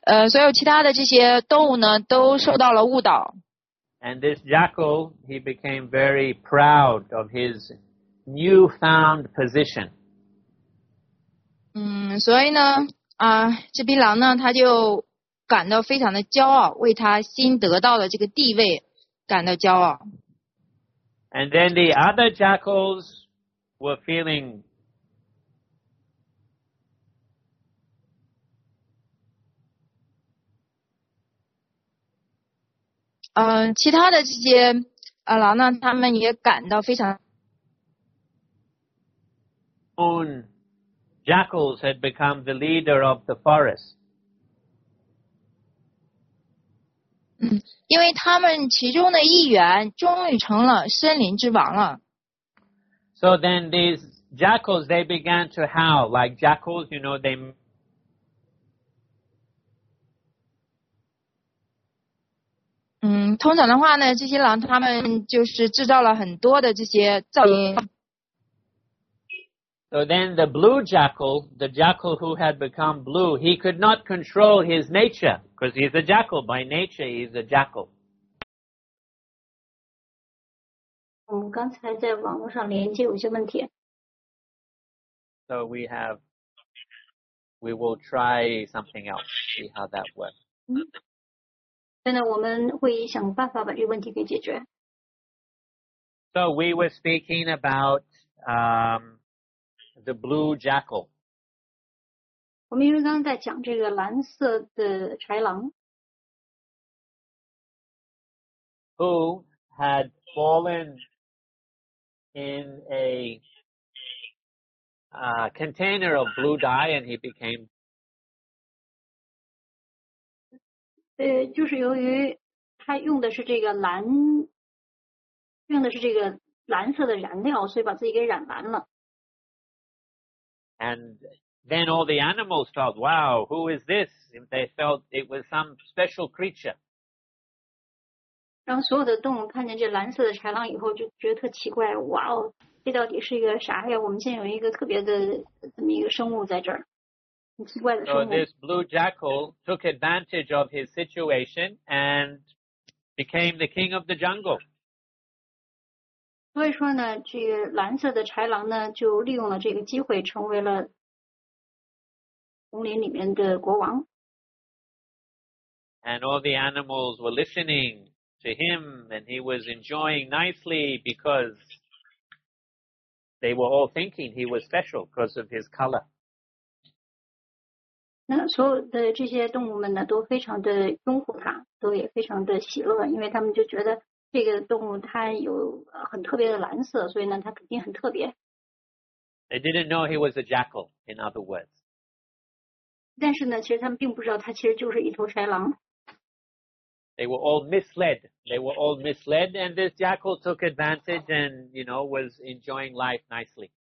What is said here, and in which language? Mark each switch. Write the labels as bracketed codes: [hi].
[zh] 所有其他的这些动物呢，都受到了误导。 [en] And this jackal, he became very proud of his newfound position. [zh] 所以呢，这匹狼呢，他就感到非常的骄傲，为他新得到的这个地位感到骄傲。 [en] And then the other jackals were feeling [zh] 其他的这些狼呢，他们也感到非常。 [en] Own jackals had become the leader of the forest. [zh] 因为他们其中的一员终于成了森林之王了。 [en] So then these jackals, they began to howl like jackals, you know, they. [zh] 通常的话呢，这些狼他们就是制造了很多的这些噪音。 [en] So then the blue jackal, the jackal who had become blue, he could not control his nature, because he's a jackal. By nature, he's a jackal. [zh] 我们刚才在网络上连接有些问题。 [en] So we will try something else, see how that works. [zh] 我们会想办法把这个问题给解决。 [en] So we were speaking about the blue jackal. [zh] 我们因为刚刚在讲这个蓝色的豺狼。 [en] Who had fallen in a container of blue dye and he became... [zh] 就是由于他用的是这个蓝，用的是这个蓝色的染料，所以把自己给染蓝了。 [en] And then all the animals thought, "Wow, who is this?" They felt it was some special creature. [zh] 然后所有的动物看见这蓝色的豺狼以后，就觉得特奇怪，哇哦，这到底是一个啥呀？我们现在有一个特别的这么一个生物在这儿。 [en] So this blue jackal took advantage of his situation and became the king of the jungle. [zh] 所以说呢，这个蓝色的豺狼呢，就利用了这个机会，成为了丛林里面的国王。 [en] And all the animals were listening to him, and he was enjoying nicely because they were all thinking he was special because of his color. [zh] 那所有的这些动物们呢，都非常的拥护它，都也非常的喜乐，因为他们就觉得这个动物它有很特别的蓝色，所以呢，它肯定很特别。 [en] They didn't know he was a jackal, in other words. [zh] 但是呢，其实他们并不知道它其实就是一头豺狼。 [en] They were all misled. They were all misled, and this jackal took advantage and, you know, was enjoying life nicely.